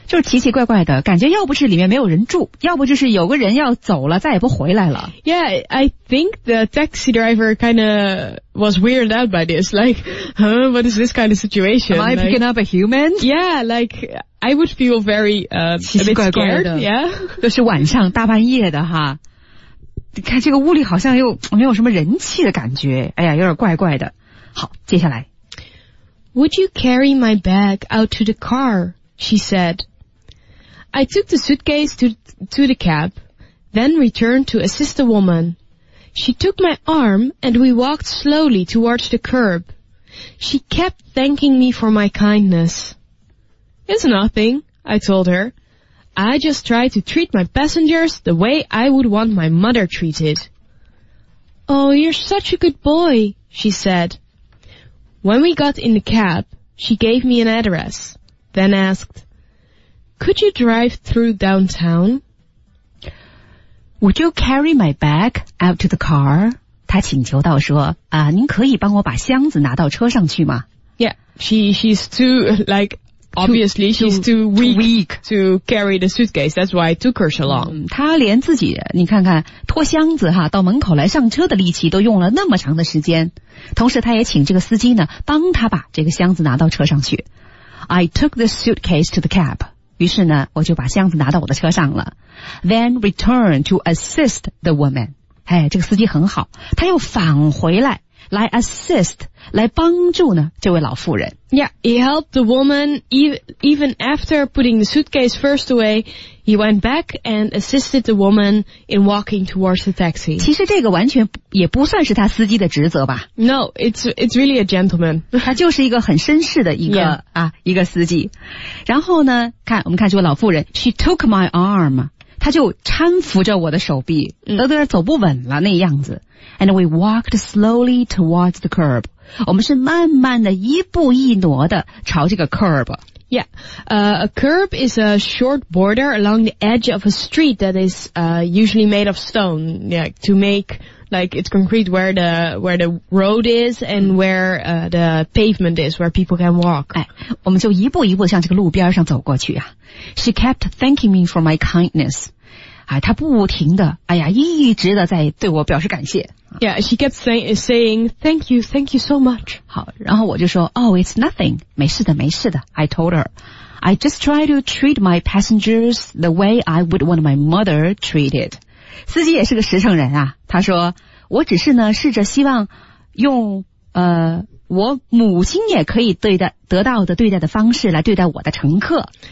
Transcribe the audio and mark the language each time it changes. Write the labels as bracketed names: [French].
[Chinese] 就是奇奇怪怪的，感觉要不是里面没有人住，要不就是有个人要走了，再也不回来了。 [English] Yeah, I think the taxi driver kind of was weirded out by this. Like, huh, what is this kind of situation? Am I picking up a human? Yeah, like... I would feel very, a bit scared, [Chinese] 奇奇怪怪的 [English] yeah. [Chinese] 都是晚上大半夜的哈。你看这个屋里好像又没有什么人气的感觉。哎呀有点怪怪的。好接下来。 [English] Would you carry my bag out to the car? She said. I took the suitcase to the cab, then returned to assist the woman. She took my arm and we walked slowly towards the curb. She kept thanking me for my kindness. It's nothing, I told her. I just try to treat my passengers the way I would want my mother treated. Oh, you're such a good boy, she said. When we got in the cab, she gave me an address, then asked, Could you drive through downtown? Would you carry my bag out to the car? [Chinese] 她请求到说，啊，您可以帮我把箱子拿到车上去吗？ [English] Yeah, she's too, like... Obviously, she's too weak to carry the suitcase. That's why I took her so long. [Chinese] 她连自己，你看看，拖箱子哈，到门口来上车的力气都用了那么长的时间。同时，她也请这个司机呢，帮她把这个箱子拿到车上去。 [English] I took the suitcase to the cab. [Chinese] 于是呢，我就把箱子拿到我的车上了。 [English] Then returned to assist the woman. [Chinese] 嘿，这个司机很好，他又返回来来 assist, 来帮助呢这位老妇人。 [English] Yeah, he helped the woman even after putting the suitcase first away, he went back and assisted the woman in walking towards the taxi. [Chinese] 其实这个完全也不算是他司机的职责吧。 [English] No, it's really a gentleman. [Chinese] 他就是一个很绅士的一个、yeah. 啊一个司机。然后呢看我们看这位老妇人 , [English] she took my arm. [Chinese] 他就搀扶着我的手臂都有点走不稳了那样子 [English] And we walked slowly towards the curb [Chinese] 我们是慢慢的一步一挪的朝这个 curb [English] Yeah, a curb is a short border along the edge of a street that is usually made of stone yeah, to make like it's concrete where the road is and where the pavement is where people can walk、 [Chinese] 哎、我们就一步一步向这个路边上走过去啊 [English] She kept thanking me for my kindness. [Chinese] 哎，她不停的，哎呀，一直的在对我表示感谢。 [English] Yeah, she kept saying, thank you so much. [Chinese] 好，然后我就说 ， [English] Oh, it's nothing. [Chinese] 没事的，没事的。 [English] I told her, I just try to treat my passengers the way I would want my mother treated. [Chinese] 司机也是个实诚人啊，他说，我只是呢，试着希望用我母亲也可以对待得到的对待的方式来对待我的乘客。